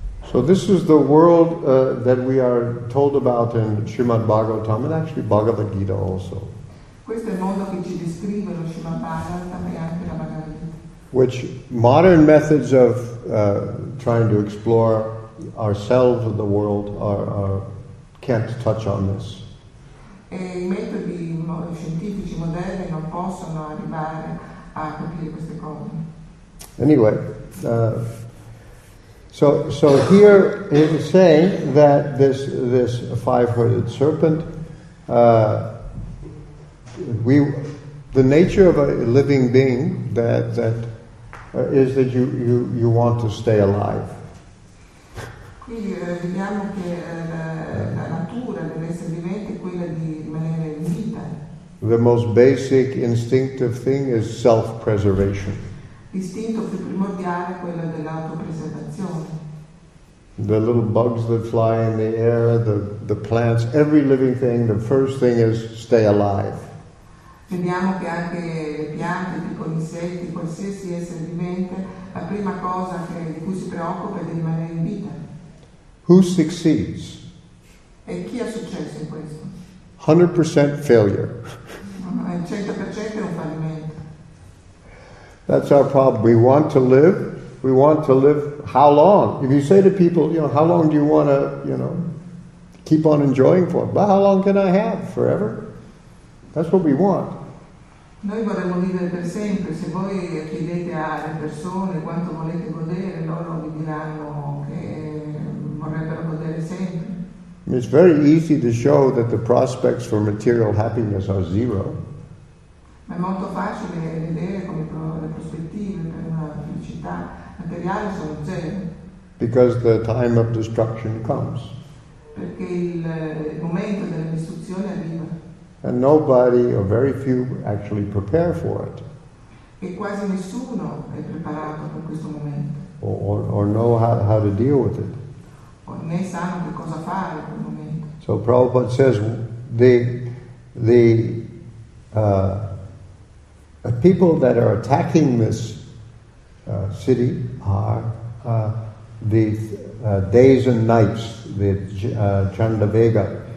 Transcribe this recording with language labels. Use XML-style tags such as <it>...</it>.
<en>So this is the world that we are told about in Srimad Bhagavatam and actually Bhagavad Gita also.</en> <it>Questo è il mondo che ci descrive lo Srimad Bhagavatam e anche la Bhagavad Gita.</it> <en>Which modern methods of trying to explore ourselves or the world are can't touch on this.</en> <it>E i metodi scientifici moderni non possono arrivare a capire queste cose.</it> <en>Anyway, so here it is saying that this five-headed serpent, the nature of a living being that is that you want to stay alive.</en> <it>Qui vediamo che la natura dell'essere vivente è quella di rimanere in vita.</it> <en>The most basic instinctive thing is self-preservation.</en> <it>L'istinto più primordiale è quello dell'autopreservazione.</it> <en>The little bugs that fly in the air, the plants, every living thing, the first thing is stay alive.</en> <it>Vediamo che anche le piante, i piccoli insetti, qualsiasi essere vivente, la prima cosa di cui si preoccupa è di rimanere in vita.</it> <en>Who succeeds?</en> <it>E chi ha successo in questo?</it> <en>100% failure.</en> <it>Il 100% è un fallimento.</it> <en>That's our problem. We want to live. We want to live how long? If you say to people, you know, how long do you want to, you know, keep on enjoying for? But how long can I have? Forever? That's what we want.</en> <it>Noi vorremmo vivere per sempre. Se voi chiedete alle persone quanto volete godere, loro vi diranno che vorrebbero godere sempre.</it> <en>It's very easy to show that the prospects for material happiness are zero.</en> <it>È molto facile vedere come le prospettive per una felicità materiale sono zero.</it> <en>Because the time of destruction comes.</en> <it>Perché il momento della distruzione arriva.</it> <en>And nobody, or very few, actually prepare for it.</en> <it>E quasi nessuno è preparato per questo momento.</it> <en>Or know how to deal with it.</en> <it>O né sanno che cosa fare in quel momento.</it> <en>So Prabhupada says the people that are attacking this city are days and nights, the Chandavega.</en>